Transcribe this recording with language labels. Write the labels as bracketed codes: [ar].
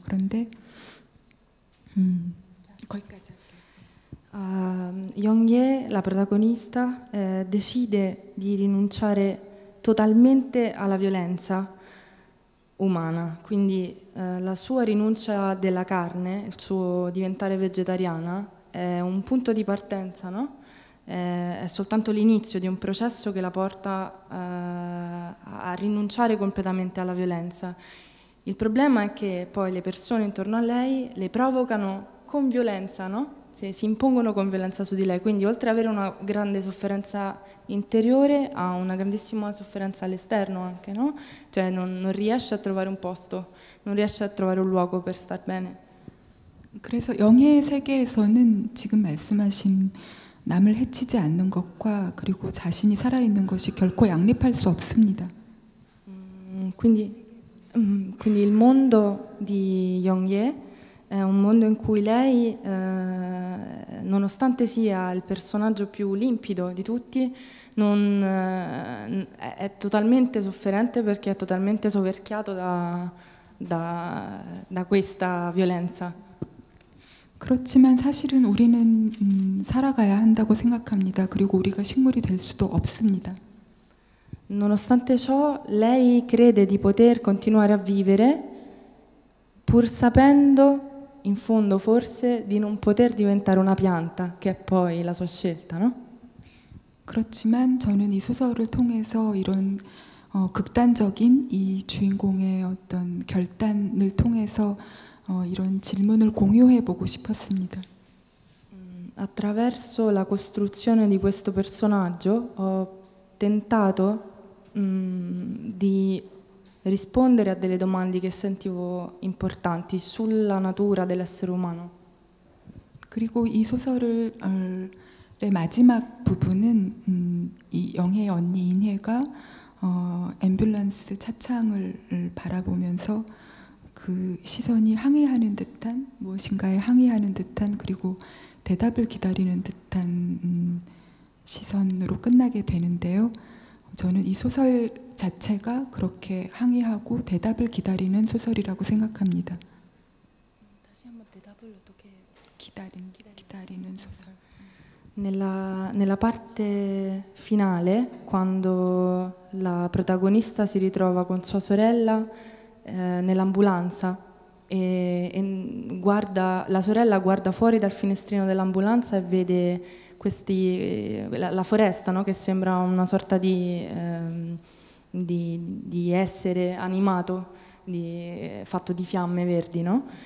[ko] 그런데 거기까지 할게요. [it] Yong Ye, la protagonista, decide di rinunciare totalmente alla violenza umana, quindi la sua rinuncia della carne, il suo diventare vegetariana, è un punto di partenza, no? È soltanto l'inizio di un processo che la porta a rinunciare completamente alla violenza. Il problema è che poi le persone intorno a lei le provocano con violenza, no? Si impongono con violenza su di lei, quindi oltre ad avere una grande sofferenza interiore ha una grandissima sofferenza all'esterno anche, no? Cioè non riesce a trovare un posto, non riesce a trovare un luogo per star bene. [ko] 그래서 영의 세계에서는 지금 말씀하신 남을 해치지 않는 것과 그리고 자신이 살아있는 것이 결코 양립할 수 없습니다. [it] Quindi il mondo di Yong Ye è un mondo in cui lei, nonostante sia il personaggio più limpido di tutti, è totalmente sofferente perché è totalmente soverchiato da questa violenza. [ko] 그렇지만 사실은 우리는 살아가야 한다고 생각합니다. 그리고 우리가 식물이 될 수도 없습니다. [it] Nonostante ciò, lei crede di poter continuare a vivere pur sapendo in fondo forse di non poter diventare una pianta, che è poi la sua scelta, no? [ko] 그렇지만 저는 이 소설을 통해서 이런 극단적인 이 주인공의 어떤 결단을 통해서 이런 질문을 공유해 보고 싶었습니다. [it] Attraverso la costruzione di questo personaggio ho tentato di rispondere a delle domande che sentivo importanti sulla natura dell'essere umano. [ko] 그리고 이 소설을 마지막 부분은 이 영혜 언니 인혜가 앰뷸런스 차창을 바라보면서 그 시선이 항의하는 듯한 무엇인가에 항의하는 듯한 그리고 대답을 기다리는 듯한 시선으로 끝나게 되는데요. 저는 이 소설 자체가 그렇게 항의하고 대답을 기다리는 소설이라고 생각합니다. 다시 한번 대답을 어떻게 기다리는 소설. [it] Nella parte finale, quando la protagonista si ritrova con sua sorella nell'ambulanza e guarda, la sorella guarda fuori dal finestrino dell'ambulanza e vede questi, la foresta, no? Che sembra una sorta di essere animato, fatto di fiamme verdi, no?